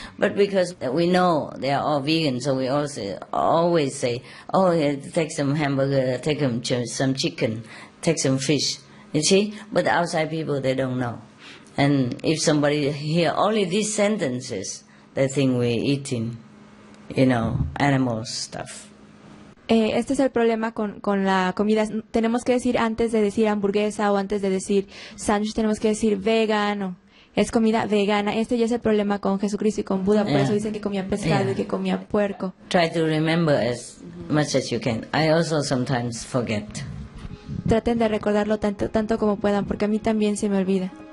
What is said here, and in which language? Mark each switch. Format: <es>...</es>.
<en>But because we know they are all vegan, so we always say, oh, yeah, take some hamburger, take some chicken, take some fish. You see? But the outside people, they don't know. And if somebody hear only these sentences, they think we're eating, you know, animal stuff.</en> <es>Este es el problema con la comida. Tenemos que decir antes de decir hamburguesa o antes de decir sándwich, tenemos que decir vegano. Es comida vegana. Este ya es el problema con Jesucristo y con Buda. Por eso dicen que comía pescado y que comía puerco.</es> <en>Try to remember as much as you can. I also sometimes forget.</en> <es>Traten de recordarlo tanto como puedan, porque a mí también se me olvida.</es>